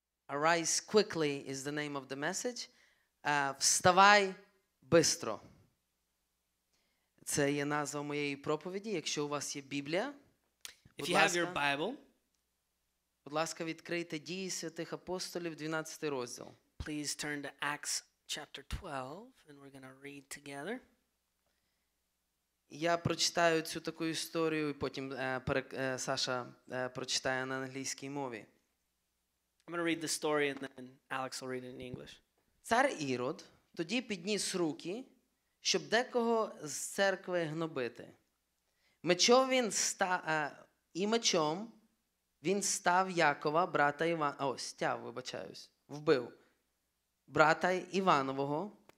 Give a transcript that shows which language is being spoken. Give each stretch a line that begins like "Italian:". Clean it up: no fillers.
English: Rise Quickly is the name of the message.
Ukrainian: Вставай швидко. Це є назва моєї проповіді. Якщо у вас є Біблія,
English: if you have your Bible,
Ukrainian: будь ласка, відкрийте Дії святих апостолів, 12 розділ.
English: Please turn to Acts chapter 12 and we're going to read together.
Ukrainian: Я прочитаю цю таку історію і потім Саша прочитає на англійській мові.
English: I'm going to read the story and then Alex will read it in English.
Ukrainian: Цар Ірод тоді підніс руки, щоб декого з церкви гнобити. Мечом він став Якова, брата Івана, вбив брата Іванового.